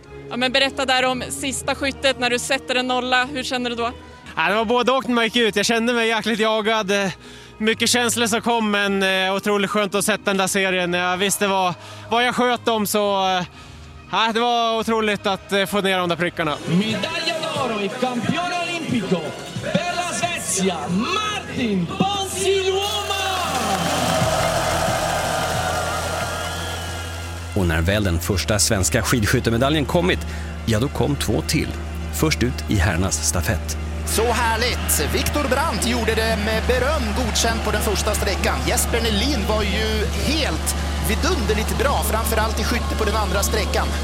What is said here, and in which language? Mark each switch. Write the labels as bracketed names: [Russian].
[Swedish] Ja, men berätta där om sista skyttet när du sätter en nolla. Hur känner du då? Det var både och när man gick ut. Jag kände mig jäkligt jagad. Mycket känslor som kom, men otroligt skönt att sätta den där serien. Jag visste vad jag sköt dem, så det var otroligt att få ner de där prickarna. [Italian] Medalja d'oro i campione olimpico per la Svezia, Martin Ponsiluoma! [Swedish] Och när väl den första svenska skidskyttemedaljen kommit, ja då kom 2 till. Först ut i herrarnas stafett. Så härligt! Viktor Brandt gjorde det med beröm godkänt på den första sträckan. Jesper Nelin var ju helt vidunderligt bra, framförallt i skytte på den andra sträckan.